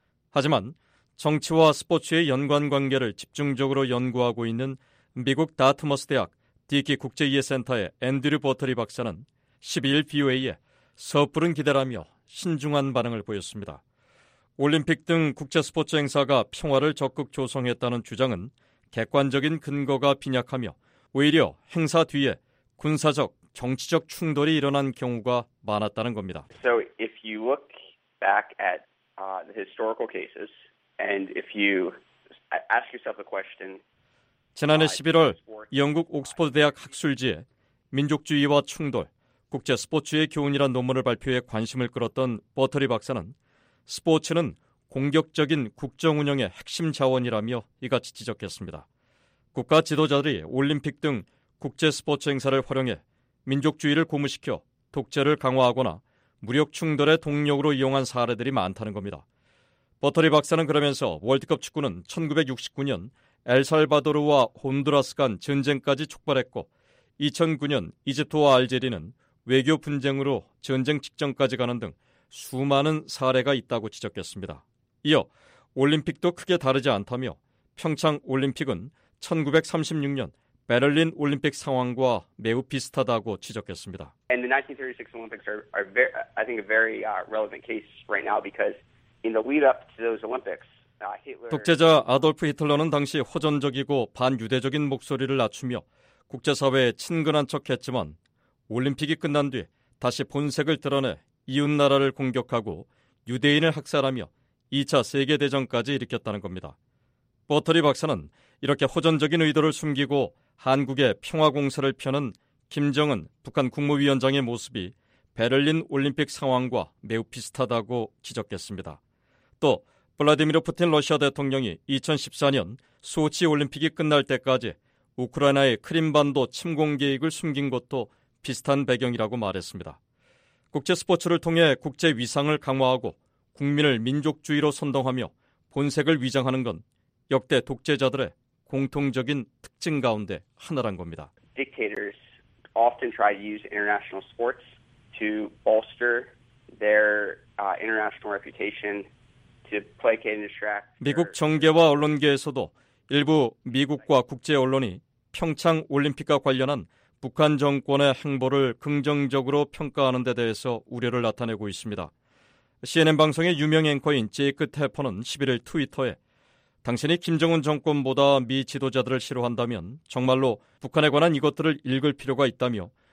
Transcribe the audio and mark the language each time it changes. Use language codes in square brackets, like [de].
[ko] 하지만 정치와 스포츠의 연관관계를 집중적으로 연구하고 있는 미국 다트머스 대학 디키 국제이해센터의 앤드류 버터리 박사는 12일 BOA에 섣부른 기대라며 신중한 반응을 보였습니다. 올림픽 등 국제 스포츠 행사가 평화를 적극 조성했다는 주장은 객관적인 근거가 빈약하며 오히려 행사 뒤에 군사적, 정치적 충돌이 일어난 경우가 많았다는 겁니다. [en] So if you look back at the historical cases, and if you ask yourself a question, [ko] 지난해 11월 영국 옥스퍼드 대학 학술지에 민족주의와 충돌, 국제 스포츠의 교훈이란 논문을 발표해 관심을 끌었던 버터리 박사는 스포츠는 공격적인 국정운영의 핵심 자원이라며 이같이 지적했습니다. 국가 지도자들이 올림픽 등 국제 스포츠 행사를 활용해 민족주의를 고무시켜 독재를 강화하거나 무력 충돌의 동력으로 이용한 사례들이 많다는 겁니다. 버터리 박사는 그러면서 월드컵 축구는 1969년 엘살바도르와 홈드라스 간 전쟁까지 촉발했고 2009년 이집트와 알제리는 외교 분쟁으로 전쟁 직전까지 가는 등 수많은 사례가 있다고 지적했습니다. 이어 올림픽도 크게 다르지 않다며 평창 올림픽은 1936년 베를린 올림픽 상황과 매우 비슷하다고 지적했습니다. [en] And the 1936 Olympics are very, I think a very relevant case right now because in the lead up to those Olympics, Hitler [ko] 독재자 아돌프 히틀러는 당시 호전적이고 반유대적인 목소리를 낮추며 국제 사회에 친근한 척했지만 올림픽이 끝난 뒤 다시 본색을 드러내 이웃나라를 공격하고 유대인을 학살하며 2차 세계대전까지 일으켰다는 겁니다. 버터리 박사는 이렇게 호전적인 의도를 숨기고 한국의 평화공세를 펴는 김정은 북한 국무위원장의 모습이 베를린 올림픽 상황과 매우 비슷하다고 지적했습니다. 또 블라디미르 푸틴 러시아 대통령이 2014년 소치 올림픽이 끝날 때까지 우크라이나의 크림반도 침공 계획을 숨긴 것도 비슷한 배경이라고 말했습니다. 국제 스포츠를 통해 국제 위상을 강화하고 국민을 민족주의로 선동하며 본색을 위장하는 건 역대 독재자들의 공통적인 특징 가운데 하나란 겁니다. [en] Dictators often try to use international sports to bolster their international reputation to placate and distract. [ko] 미국 정계와 언론계에서도 일부 미국과 국제 언론이 평창 올림픽과 관련한 북한 정권의 행보를 긍정적으로 평가하는 데 대해서 우려를 나타내고 있습니다. CNN 방송의 유명 앵커인 제이크 테퍼는 11일 트위터에 당신이 김정은 정권보다 미 지도자들을 싫어한다면 정말로 북한에 관한 이것들을 읽을 필요가 있다며